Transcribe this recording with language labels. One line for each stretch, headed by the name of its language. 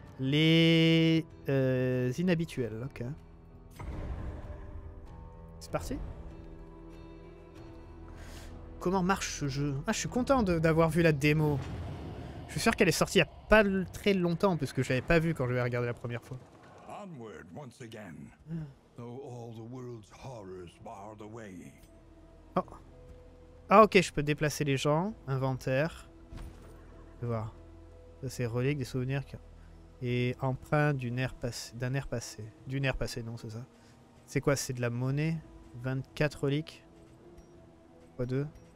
French: Les inhabituels, ok. C'est parti. Comment marche ce jeu? Ah, je suis content d'avoir vu la démo. Je suis sûr qu'elle est sortie il n'y a pas très longtemps, puisque je ne l'avais pas vue quand je l'ai regardée la première fois.
English: Onward, once again. Though all the world's horrors bar the way.
French: Oh. Ah, ok, je peux déplacer les gens. Inventaire. Je vais voir. Ça, c'est relique des souvenirs. Et empreint d'un air passé. D'une air passée, non, c'est ça. C'est quoi? C'est de la monnaie. 24 reliques. Quoi deux?